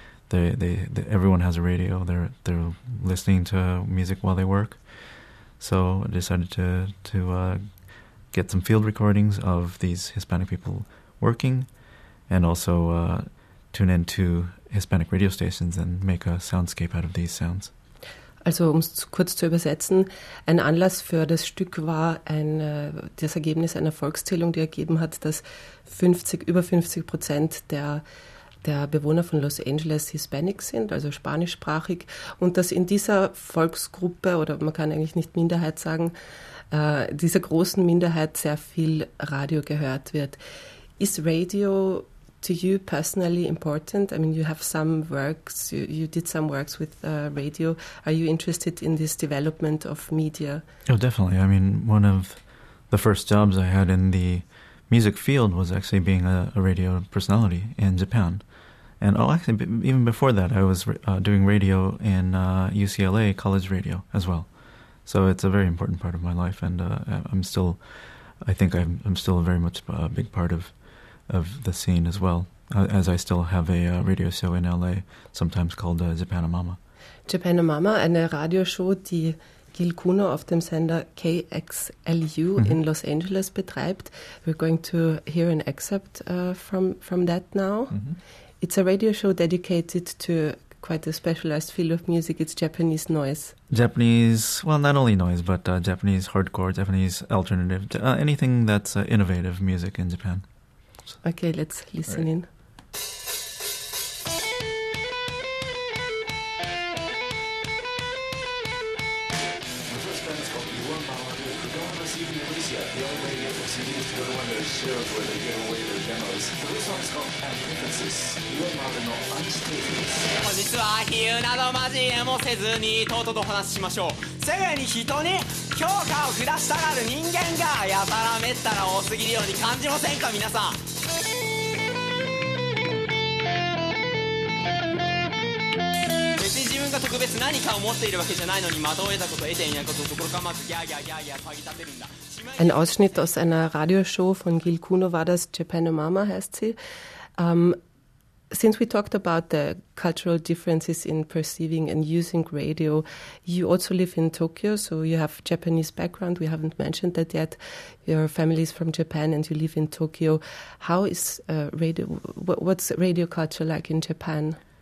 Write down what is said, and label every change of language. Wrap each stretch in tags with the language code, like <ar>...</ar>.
<en>They everyone has a radio. They're listening to music while they work. So I decided to get some field recordings of these Hispanic people working, and also tune in to Hispanic radio stations and make a soundscape out of these sounds.</en> <de>Also um es kurz zu übersetzen, ein Anlass für das Stück war das Ergebnis einer Volkszählung, die ergeben hat, dass über 50% der Bewohner von Los Angeles Hispanic sind, also spanischsprachig, und dass in dieser Volksgruppe, oder man kann eigentlich nicht Minderheit sagen, dieser großen Minderheit sehr viel Radio gehört wird.</de> <en>Ist Radio to you personally important? I mean, you have some works, you did some works with radio. Are you interested in this development of media? Oh, definitely. I mean, one of the first jobs I had in the music field was actually being a radio personality in Japan. And even before that, I was doing radio in UCLA college radio as well. So it's a very important part of my life, and I'm still very much a big part of the scene as well, as I still have a radio show in LA, sometimes called Japanomama.</en> <de>Japanomama, eine Radioshow, die Gil Kuno auf dem Sender KXLU in Los Angeles betreibt.</de> <en>We're going to hear an excerpt from that now. Mm-hmm. It's a radio show dedicated to quite a specialized field of music. It's Japanese noise. Japanese, well, not only noise, but Japanese hardcore, Japanese alternative, anything that's innovative music in Japan. Okay, let's listen in. set. The only thing is that you need to go to one of those shows where they give away their demos. But this song's called Antithesis. Your mother not Antithesis.</en> <ja>本日は比喩など交えもせずにとうとうと話しましょう。すぐに人に評価を下したがる人間がやたらめったら多すぎるように感じませんか皆さん。特別何かを持っているわけじゃないのに惑えたこと得ていないことどころかまずギャーギャーギャーギャー騒ぎ立てるんだ。</ja> <de>Ein Ausschnitt aus einer Radioshow von Gil Kuno war das, Japanomama heißt sie.</de> <en>Since we talked about the cultural differences in perceiving and using radio, you also live in Tokyo, so you have Japanese background. We haven't mentioned that yet. Your family is from Japan and you live in Tokyo. How is radio, what's radio culture like in Japan?</en>